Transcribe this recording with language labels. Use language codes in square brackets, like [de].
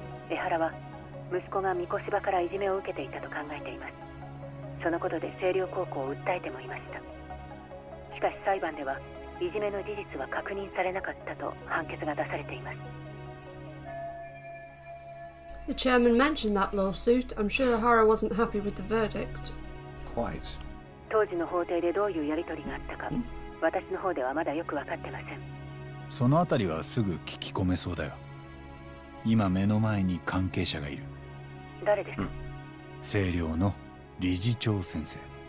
[ja] 江原は息子が三越場からいじめを受けていたと考えています。そのことで清涼高校を訴えてもいました。しかし裁判ではいじめの事実は確認されなかったと判決が出されています。 [en] The chairman mentioned that lawsuit. I'm sure Ehara wasn't happy with the verdict. Quite. [ja] 当時の法廷でどういうやり取りがあったか、私の方ではまだよく分かってません。そのあたりはすぐ聞き込めそうだよ。今目の前に関係者がいる。誰です？清涼の理事長先生。ん？